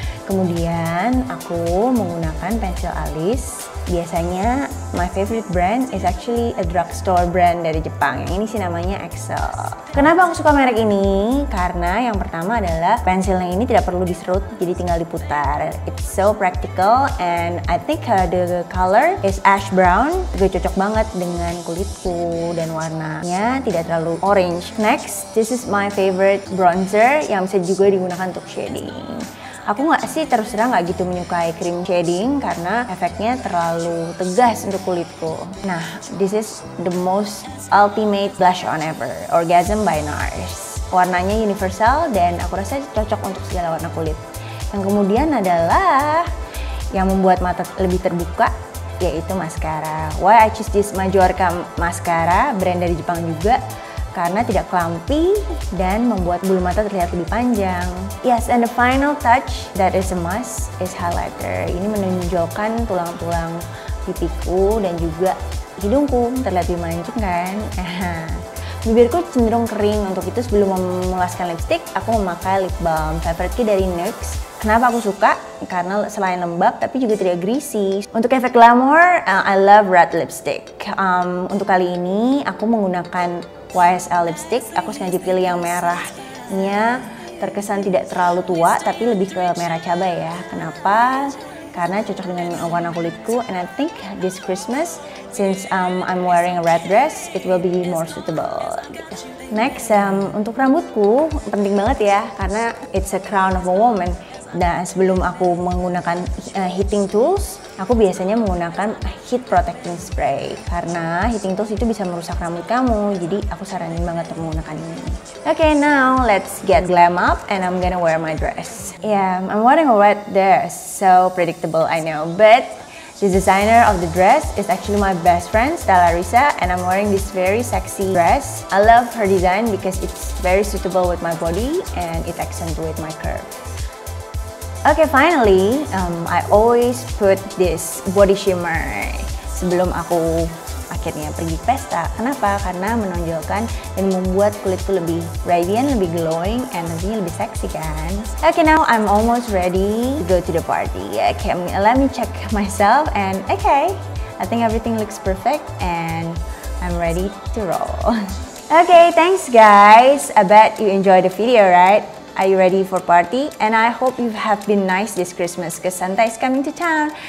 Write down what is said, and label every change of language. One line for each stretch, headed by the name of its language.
Indonesian: Kemudian aku menggunakan pensil alis.
English: Biasanya my favorite brand is actually a drugstore brand
Indonesian: dari Jepang. Yang ini sih namanya Excel. Kenapa aku suka merek ini? Karena yang pertama adalah pensilnya ini tidak perlu diserut, jadi tinggal diputar.
English: It's so practical and I think the color is ash brown.
Indonesian: Juga cocok banget dengan kulitku dan warnanya tidak terlalu orange.
English: Next, this is my favorite bronzer
Indonesian: yang bisa juga digunakan untuk
English: shading.
Indonesian: Aku nggak sih terus terang nggak gitu menyukai cream shading karena efeknya terlalu tegas untuk kulitku.
English: Nah, this is the most ultimate blush on ever, Orgasm by NARS.
Indonesian: Warnanya universal dan aku rasa cocok untuk segala warna kulit. Yang kemudian adalah yang membuat mata lebih terbuka, yaitu mascara.
English: Why I choose this Majorca mascara, brand
Indonesian: dari Jepang juga. Karena tidak clumpy dan membuat bulu mata terlihat lebih panjang.
English: Yes, and the final touch that is a must is highlighter.
Indonesian: Ini menonjolkan tulang-tulang pipiku dan juga hidungku terlihat lebih mancung kan. Bibirku cenderung kering, untuk itu sebelum memulaskan lipstick, aku memakai lip balm favorite dari NYX. Kenapa aku suka? Karena selain lembab, tapi juga tidak greasy. Untuk efek glamour,
English: I love red lipstick.
Indonesian: Untuk kali ini, aku menggunakan YSL lipstick. Aku sengaja pilih yang merahnya terkesan tidak terlalu tua, tapi lebih ke merah cabai ya. Kenapa? Karena cocok dengan warna kulitku.
English: And I think this Christmas, since I'm wearing a red dress, it will be more suitable. Next,
Indonesian: untuk rambutku, penting banget ya, karena
English: it's a crown of a woman.
Indonesian: Nah, sebelum aku menggunakan heating tools, aku biasanya menggunakan heat protecting spray. Karena heating tools itu bisa merusak rambut kamu, jadi aku saranin banget untuk menggunakan ini.
English: Okay, now let's get glam up and I'm gonna wear my dress. Yeah, I'm wearing a red dress, so predictable I know. But the designer of the dress is actually my best friend, Stella Risa, and I'm wearing this very sexy dress. I love her design because it's very suitable with my body and it accentuates my curve. Okay, finally, I always put this body shimmer
Indonesian: sebelum aku akhirnya pergi pesta. Kenapa? Karena menonjolkan dan membuat kulitku lebih radiant, lebih glowing, and nantinya lebih seksi kan?
English: Okay, now I'm almost ready to go to the party. Okay, let me check myself and okay, I think everything looks perfect and I'm ready to roll. Okay, thanks guys. I bet you enjoyed the video, right? Are you ready for party? And I hope you have been nice this Christmas because Santa is coming to town.